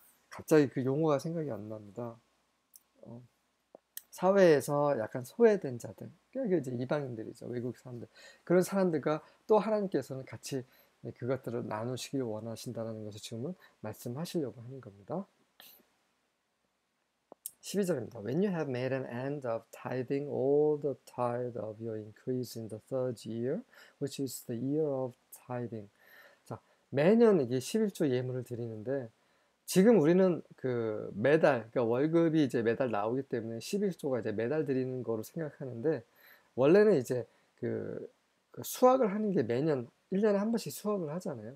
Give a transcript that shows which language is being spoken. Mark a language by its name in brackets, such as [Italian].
[Korean] 갑자기 그 용어가 생각이 안 납니다. 사회에서 약간 소외된 자들, 그게 이제 이방인들이죠, 외국 사람들. 그런 사람들과 또 하나님께서는 같이 그것들을 나누시길 원하신다는 것을 지금은 말씀하시려고 하는 겁니다. 12절입니다. [English] When you have made an end of tithing all the tithe of your increase in the third year, which is the year of tithing. [Korean] 자, 매년 이게 11조 예물을 드리는데 지금 우리는 그 매달 그러니까 월급이 이제 매달 나오기 때문에 11조가 이제 매달 드리는 거로 생각하는데 원래는 이제 그 수확을 하는 게 매년 1년에 한 번씩 수확을 하잖아요.